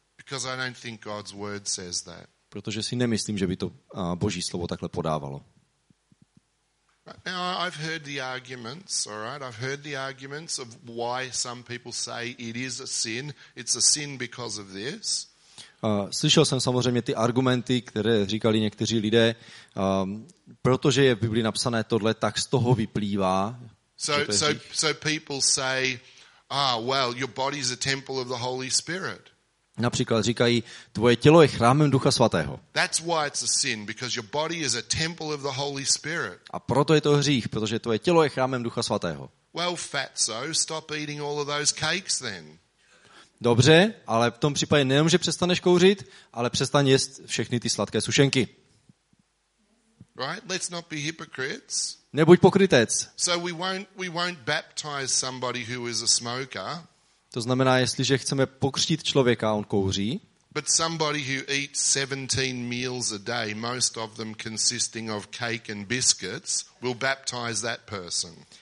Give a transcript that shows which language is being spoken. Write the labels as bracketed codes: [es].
[en] Because I don't think God's word says that. [cs] Protože si nemyslím, že by to Boží slovo takhle podávalo. [en] Now, I've heard the arguments, all right? I've heard the arguments of why some people say it is a sin. It's a sin because of this. [cs] Slyšel jsem samozřejmě ty argumenty, které říkali někteří lidé, protože je v Biblii napsané tohle, tak z toho vyplývá. [en] So people say, Ah, well, your body is a temple of the Holy Spirit. [cs] Například říkají, tvoje tělo je chrámem Ducha Svatého. [en] That's why it's a sin, because your body is a temple of the Holy Spirit. [cs] A proto je to hřích, protože tvoje tělo je chrámem Ducha Svatého. [en] Well, fatso, stop eating all of those cakes then. [cs] Dobře, ale v tom případě nejenom, že přestaneš kouřit, ale přestaň jíst všechny ty sladké sušenky. [en] Right? Let's not be hypocrites. [cs] Nebuď pokrytec. [en] So we won't baptize somebody who is a smoker. [cs] To znamená, jestliže chceme pokřtít člověka, on kouří. [en] But somebody who eats 17 meals a day, most of them consisting of cake and biscuits, will baptize that person.